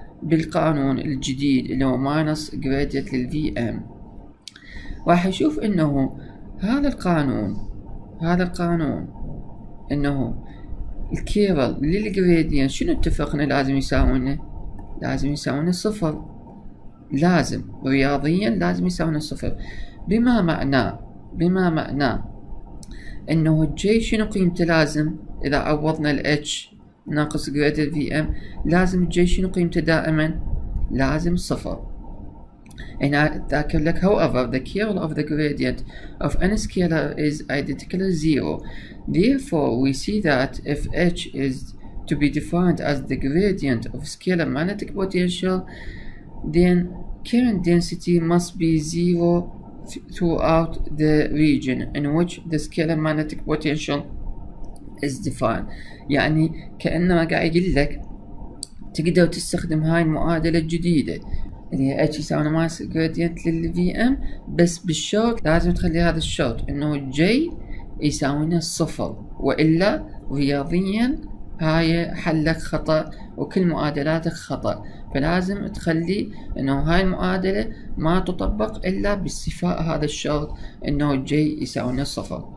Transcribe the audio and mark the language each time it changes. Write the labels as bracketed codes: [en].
[ar] بالقانون الجديد اللي هو ماينس جراديت للفي ام، راح يشوف انه هذا القانون، هذا القانون انه الكيرل للجريدين شنو اتفقنا لازم يساوينه؟ لازم يساوينه صفر، لازم رياضيا لازم يساوينه صفر. بما معناه، بما معناه انه الجي شنو قيمته لازم اذا عوضنا الاتش ناقص جريدت في ام؟ لازم الجي شنو قيمته دائما؟ لازم صفر. هنا اتذكر لك [en] however the curl of the gradient of any scalar is identical to zero. Therefore we see that if h is to be defined as the gradient of scalar magnetic potential then current density must be zero throughout the region in which the scalar magnetic potential is defined. [ar] يعني كأنما قاعد يقول لك تقدر تستخدم هاي المعادلة الجديدة اللي هي h يساوي ماس جريدينت لل vm، بس بالشرط لازم تخلي هذا الشرط انه j يساوينه صفر، والا رياضيا هاي حلك خطا وكل معادلاتك خطا، فلازم تخلي انه هاي المعادله ما تطبق الا باستيفاء هذا الشرط انه j يساوينه صفر.